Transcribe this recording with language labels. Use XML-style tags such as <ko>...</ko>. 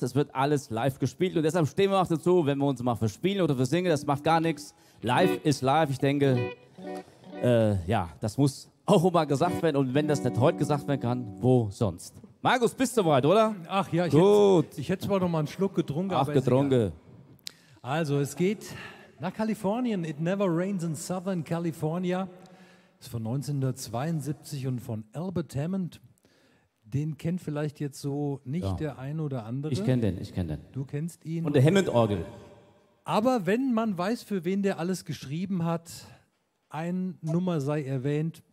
<de>Es wird alles live gespielt. Und deshalb stehen wir auch dazu, wenn wir uns mal verspielen oder versingen. Das macht gar nichts. Live ist live. Ich denke, ja, das muss auch immer gesagt werden. Und wenn das nicht heute gesagt werden kann, wo sonst? Markus, bist du bereit, oder? Ach ja, ich hätte zwar noch mal einen Schluck getrunken. Ach, aber getrunken. Also, es geht nach Kalifornien.</de> <en>It never rains in Southern California.</en> <de>Ist von 1972 und von Albert Hammond. Den kennt vielleicht jetzt so nicht der ein oder andere. Ich kenne den. Du kennst ihn. Und der Hammond-Orgel. Aber wenn man weiß, für wen der alles geschrieben hat, eine Nummer sei erwähnt.</de>